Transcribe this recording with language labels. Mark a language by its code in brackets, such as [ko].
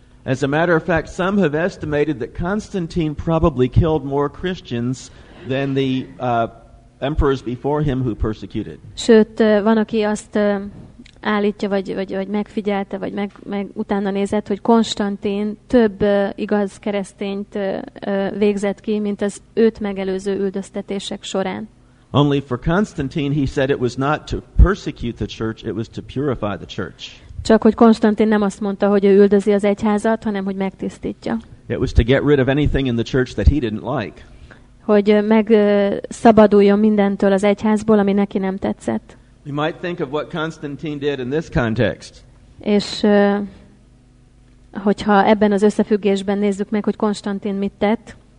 [en] As a matter of fact, some have estimated that Constantine probably killed more Christians than the emperors before him who persecuted. [hu] Sőt, van, aki azt állítja, vagy megfigyelte, vagy meg utána nézett, hogy Konstantin több igaz keresztényt végzett ki, mint az őt megelőző üldöztetések során. [en] Only for Constantine, he said it was not to persecute the church, it was to purify the church. [hu] Csak hogy Konstantin nem azt mondta, hogy ő üldözi az egyházat, hanem hogy megtisztítja. [en] It was to get rid of anything in the church that he didn't like. [hu] Hogy megszabaduljon mindentől az egyházból, ami neki nem tetszett. [en] You might think of what Constantine did in this context. [hu] És hogyha ebben az összefüggésben nézzük meg, hogy Konstantin mit tett.